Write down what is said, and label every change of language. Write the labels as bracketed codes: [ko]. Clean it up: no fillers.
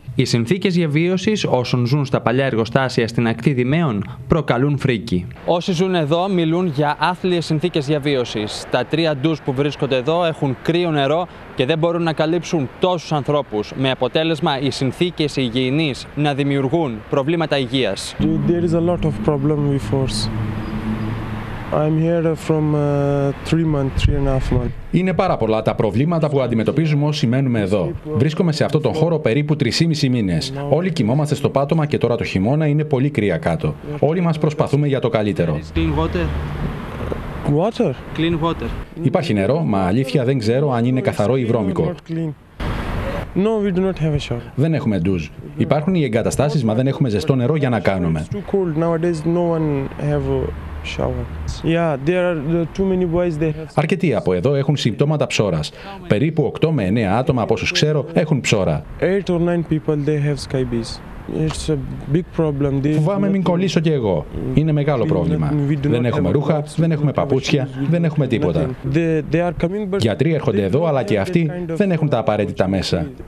[el] Οι συνθήκες διαβίωσης όσων ζουν στα παλιά εργοστάσια στην ακτή Δημαίων προκαλούν φρίκη. Όσοι ζουν εδώ μιλούν για άθλιες συνθήκες διαβίωσης. Τα τρία ντους που βρίσκονται εδώ έχουν κρύο νερό και δεν μπορούν να καλύψουν τόσους ανθρώπους. Με αποτέλεσμα οι συνθήκες υγιεινής να δημιουργούν προβλήματα υγείας. [en] There is a lot of problem with force. I'm here from three and a half months. [el] Είναι πάρα πολλά τα προβλήματα που αντιμετωπίζουμε όσοι μένουμε εδώ. Βρίσκομαι σε αυτό τον χώρο περίπου 3,5 μήνες. Όλοι κοιμόμαστε στο πάτωμα και τώρα το χειμώνα είναι πολύ κρύα κάτω. Όλοι μας προσπαθούμε για το καλύτερο. [en] Water. Clean water. [el] Υπάρχει νερό, μα αλήθεια δεν ξέρω αν είναι καθαρό ή βρώμικο. [en] No, we do not have a shower. [el] Δεν έχουμε ντουζ. Υπάρχουν οι εγκαταστάσεις, μα δεν έχουμε ζεστό νερό για να κάνουμε. [en] It's too cold. Nowadays no one have shower. Yeah, there are too many boys there. [el] Αρκετοί από εδώ έχουν συμπτώματα ψώρας. Περίπου 8 με 9 άτομα, από όσους ξέρω, έχουν ψώρα. [en] 8 or 9 people they have scabies. It's a big problem. [el] Φοβάμαι μην κολλήσω και εγώ. Είναι μεγάλο πρόβλημα. Δεν έχουμε ρούχα, δεν έχουμε παπούτσια, δεν έχουμε τίποτα. Γιατροί έρχονται εδώ, αλλά και αυτοί δεν έχουν τα απαραίτητα μέσα.